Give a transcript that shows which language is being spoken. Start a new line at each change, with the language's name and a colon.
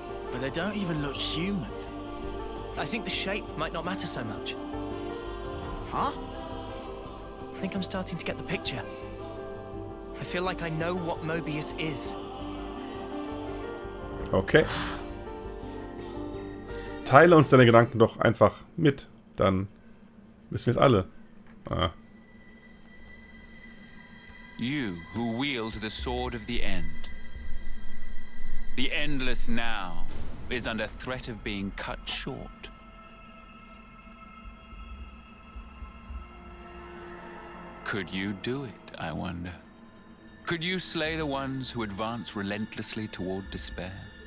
English: But they don't even look human. I think the shape might not matter so much. Huh? I think I'm starting to get the picture. I feel like I know what Möbius is. Okay.
German: Teile uns deine Gedanken doch einfach mit, dann wissen wir es alle. Ah.
English: You who wield the sword of the end. The endless now is under threat of being cut short. Could you do it, I wonder? Could you slay the ones who advance relentlessly toward despair?